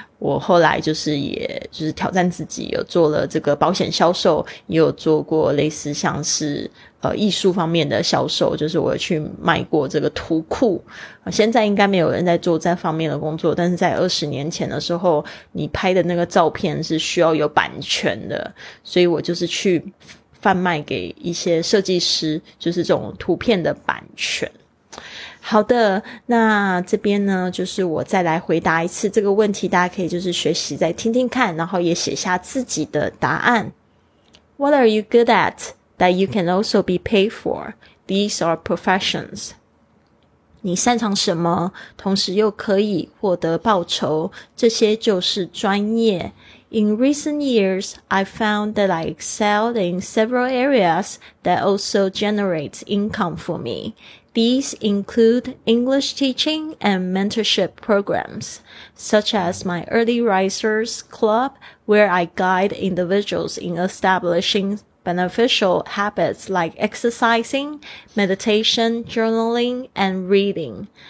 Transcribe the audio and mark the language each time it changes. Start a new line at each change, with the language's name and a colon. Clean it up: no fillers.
Chinese: 我后来就是也就是挑战自己，有做了这个保险销售，也有做过类似像是艺术方面的销售，就是我去卖过这个图库，现在应该没有人在做这方面的工作，但是在20年前的时候，你拍的那个照片是需要有版权的，所以我就是去贩卖给一些设计师，就是这种图片的版权。好的，那这边呢就是我再来回答一次这个问题，大家可以就是学习再听听看，然后也写下自己的答案。
English: What are you good at that you can also be paid for? These are professions.
Chinese: 你擅长什么同时又可以获得报酬，这些就是专业。
English: In recent years, I found that I excelled in several areas that also generate income for me. These include English teaching and mentorship programs, such as my Early Risers Club, where I guide individuals in establishing beneficial habits like exercising, meditation, journaling, and reading.